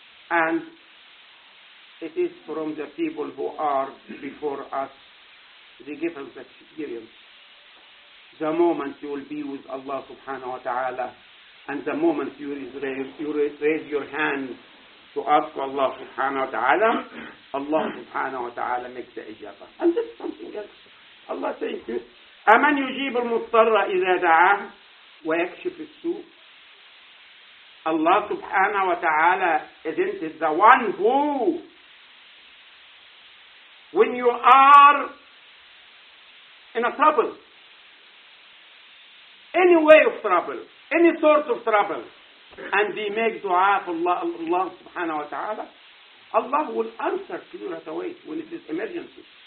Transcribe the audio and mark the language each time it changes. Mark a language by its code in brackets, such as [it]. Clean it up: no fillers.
[en] And it is from the people who are before us, they give us experience. The moment you will be with Allah subhanahu wa ta'ala, and the moment you raise your hand to ask Allah subhanahu wa ta'ala, Allah subhanahu wa ta'ala makes the ijabah. And this is something else. Allah says, [ar] أَمَنْ يُجِيبُ الْمُضْطَرَّ إِذَا دَعَاهُ وَيَكْشِفُ السُّوءَ. [en] Allah subhanahu wa ta'ala isn't it the one who, when you are in a trouble, any way of trouble, any sort of trouble, and they make dua for Allah subhanahu wa ta'ala, Allah will answer to you right away when it is emergency.